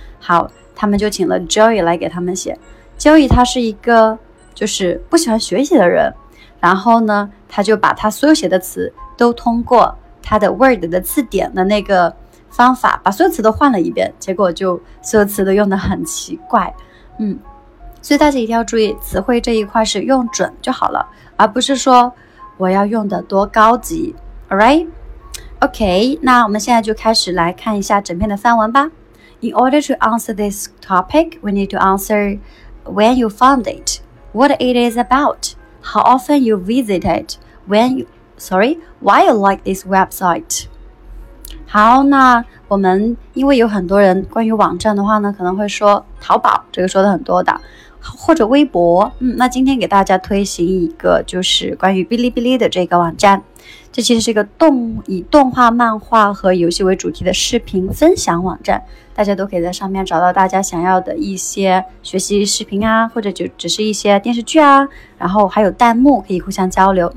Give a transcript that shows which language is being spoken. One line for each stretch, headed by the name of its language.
Chinese: 好，他们就请了 Joey 来给他们写。Joey 他是一个就是不喜欢学习的人，然后呢，他就把他所有写的词都通过他的 Word 的字典的那个方法把所有词都换了一遍，结果就所有词都用得很奇怪。所以大家一定要注意词汇这一块是用准就好了，而不是说我要用得多高级。
English: Alright, OK,
Chinese: 那我们现在就开始来看一下整篇的范文吧。
English: In order to answer this topic, we need to answer when you found it, what it is about, how often you visit it, why you like this website.
Chinese: 好，那我们因为有很多人关于网站的话呢，可能会说淘宝，这个说的很多的，或者微博。那今天给大家推行一个就是关于哔哩哔哩的这个网站，这其实是一个以动画、漫画和游戏为主题的视频分享网站，大家都可以在上面找到大家想要的一些学习视频啊，或者就只是一些电视剧啊，然后还有弹幕可以互相交流。